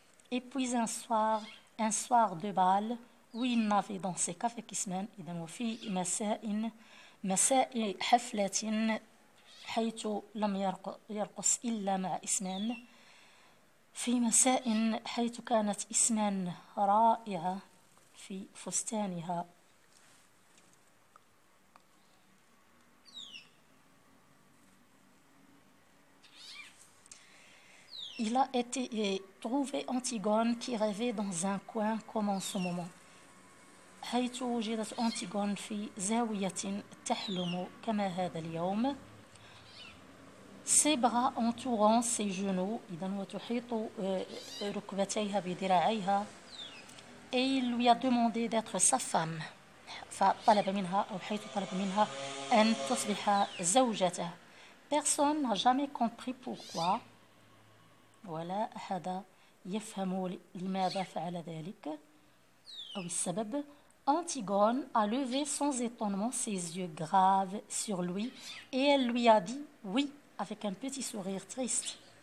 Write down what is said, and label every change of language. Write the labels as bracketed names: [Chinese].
[French] Et puis un soir de bal où il n'avait dansé qu'avec إسمان. [Arabic] إذن وفي مساء حفلة حيث لم يرقص إلا مع إسمان. في مساء حيث كانت إسمان رائعة في فستانها. [French] Il a été trouvé Antigone qui rêvait dans un coin comme en ce moment. [Arabic] حيث وجدت أنتيغون في زاوية تحلم كما هذا اليوم. [French] Ses bras entourant ses genoux. [Arabic] إذن وتحيط ركبتيها بذراعيها. [French] Et il lui a demandé d'être sa femme. [Arabic] فطلب منها أو حيث طلب منها أن تصبح زوجته. [French] Personne n'a jamais compris pourquoi. [Arabic] ولا أحد يفهم لماذا فعل ذلك أو السبب. [French] Antigone a levé sans étonnement ses yeux graves sur lui et elle lui a dit oui avec un petit sourire triste.